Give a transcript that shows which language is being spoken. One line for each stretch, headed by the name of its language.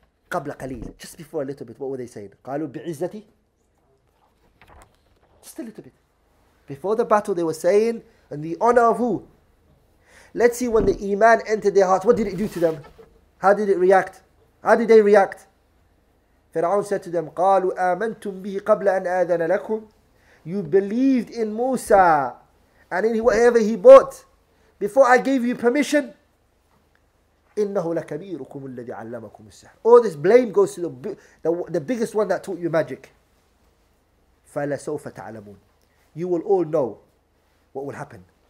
Arabic: قبل قليل.
English: Just before a little bit, what were they saying?
Arabic: قالوا بعزتي.
English: Just a little bit. Before the battle, they were saying, in the honor of who? Let's see when the Iman entered their hearts. What did it do to them? How did it react? How did they react? Fir'aun said to them,
Arabic: قالوا آمنتم به قبل أن آذن لكم.
English: You believed in Musa and in whatever he bought before I gave you permission.
Arabic: إِنَّهُ لَكَبِيرُكُمُ الَّذِي عَلَّمَكُمُ السَّحْرِ.
English: All this blame goes to the biggest one that taught you magic.
Arabic: فَلَسَوْفَ تَعْلَمُونَ.
English: You will all know what will happen.